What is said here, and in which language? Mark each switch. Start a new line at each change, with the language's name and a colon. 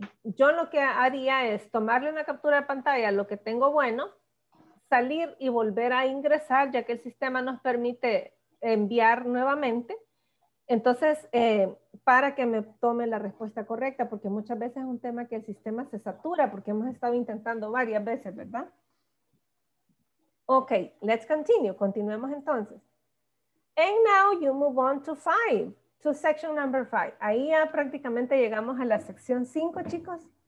Spanish: Yo lo que haría es tomarle una captura de pantalla, lo que tengo bueno, salir y volver a ingresar ya que el sistema nos permite enviar nuevamente. Entonces, para que me tome la respuesta correcta, porque muchas veces es un tema que el sistema se satura, porque hemos estado intentando varias veces, ¿verdad?
English: Ok, let's continue.
Spanish: Continuemos entonces.
English: And now you move on to 5, to section number 5.
Spanish: Ahí ya prácticamente llegamos a la sección 5, chicos.